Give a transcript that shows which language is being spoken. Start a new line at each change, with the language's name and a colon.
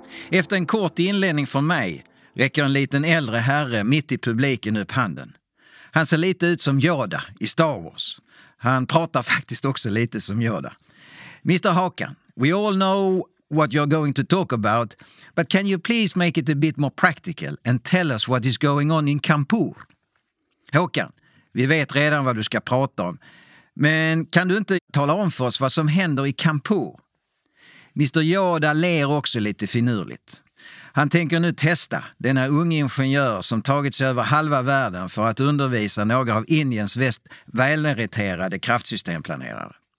Swedish: Efter en kort inledning från mig räcker en liten äldre herre mitt i publiken upp handen. Han ser lite ut som Yoda i Star Wars. Han pratar faktiskt också lite som Yoda.
English: Mr. Håkan, we all know what you're going to talk about, but can you please make it a bit more practical and tell us what is going on in Kampur?
Swedish: Håkan, vi vet redan vad du ska prata om, men kan du inte tala om för oss vad som händer i Kampur? Mr. Yoda ler också lite finurligt. Han tänker nu testa denna unge ingenjör som tagit sig över halva världen för att undervisa några av Indiens mest välmeriterade kraftsystemplanerare.